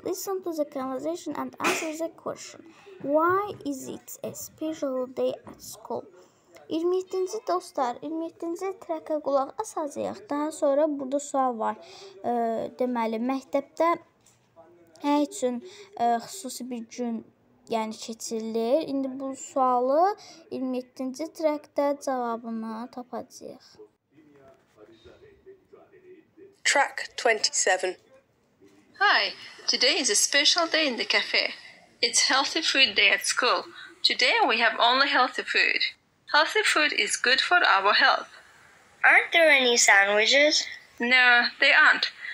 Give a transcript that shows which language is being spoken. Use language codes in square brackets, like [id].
[en] Listen to the conversation and answer the question. Why is it a special day at school? [az] 27-ci dostlar, 27-ci trəkə qulaq asacaq. Daha sonra burada sual var. Deməli, məktəbdə nə üçün xüsusi bir gün yəni keçirilir? İndi bu sualı 27-ci trəkdə cavabını tapacaq. [en] Track 27. Hi, today is a special day in the cafe. It's healthy food day at school. Today we have only healthy food. Healthy food is good for our health. Aren't there any sandwiches? No, they aren't.